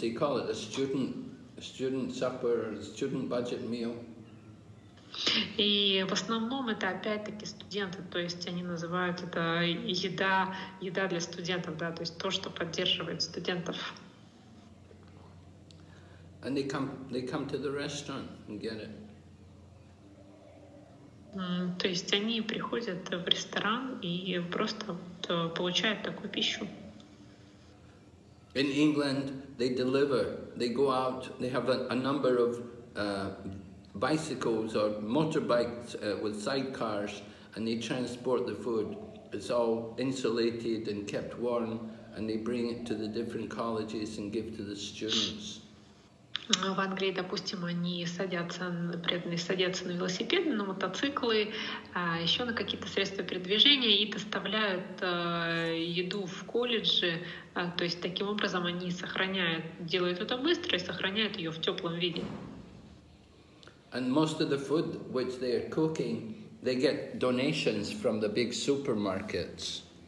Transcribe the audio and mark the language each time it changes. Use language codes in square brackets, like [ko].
[en] They call it a student supper, student budget meal. [ru] И в основном это опять-таки студенты, то есть они называют это еда для студентов, да, то есть то, что поддерживает студентов. [en] And they come to the restaurant and get it. [ru] То есть они приходят в ресторан и просто получают такую пищу. [en] In England they deliver, they go out, they have a number of bicycles or motorbikes with sidecars, and they transport the food. It's all insulated and kept warm, and they bring it to the different colleges and give to the students. [ru] В Англии, допустим, они садятся на велосипеды, на мотоциклы, еще на какие-то средства передвижения и доставляют еду в колледжи. То есть таким образом они делают это быстро и сохраняют ее в теплом виде. [en] And most of the food which they are cooking, they get donations from the big supermarkets.